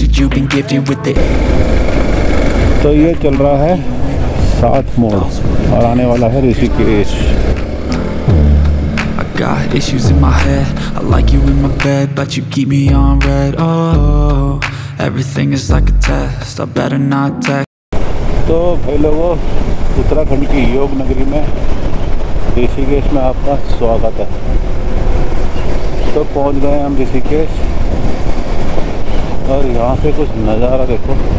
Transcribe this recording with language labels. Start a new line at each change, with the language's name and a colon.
Hindi: तो ये चल रहा है 7 मोड़, और आने वाला है Rishikesh.
English: I got issues in my head, I like you in my bed, but you keep me on red. Oh, everything is like a test, I better not text.
Hindi: तो भाई लोगो, उत्तराखंड की योग नगरी में ऋषिकेश में आपका स्वागत है। तो पहुंच गए हम ऋषिकेश, और यहाँ से कुछ नज़ारा देखो।